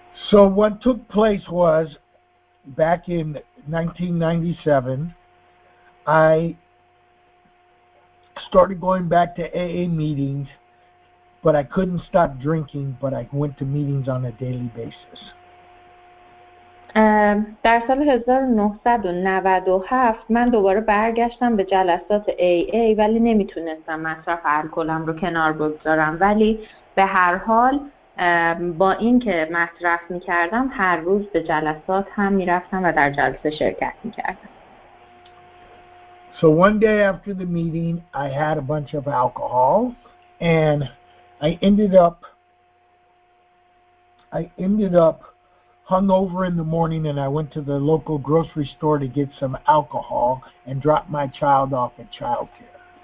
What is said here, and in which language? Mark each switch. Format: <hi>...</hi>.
<en>So what took place was back in 1997 I started going back to AA meetings but I couldn't stop drinking but I went to meetings on a daily basis.</en> <fa>در سال 1997 من دوباره برگشتم به جلسات AA ولی نمیتونستم مصرف الکلم رو کنار بگذارم ولی به هر حال با این که مصرف میکردم هر روز به جلسات هم میرفتم و در جلسه شرکت میکردم.</fa> <en>So one day after the meeting, I had a bunch of alcohol, and I ended up hungover in the morning, and I went to the local grocery store to get some alcohol and dropped my child off at childcare.</en>